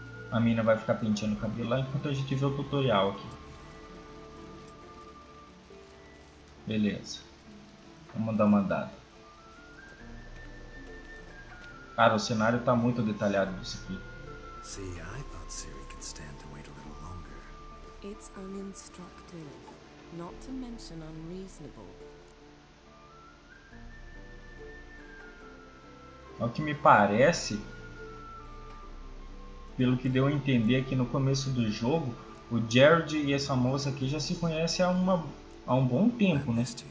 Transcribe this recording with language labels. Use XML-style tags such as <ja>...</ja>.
<pt>A mina vai ficar penteando o cabelo lá enquanto a gente vê o tutorial aqui. Beleza. Vamos dar uma andada. Cara, o cenário tá muito detalhado nisso aqui.</pt> <en>See, I thought Siri could stand to wait a little longer. It's uninstructive, not to mention unreasonable.</en> <pt>Ao que me parece, pelo que deu a entender aqui no começo do jogo, o Jared e essa moça aqui já se conhecem há um bom tempo, né?</pt>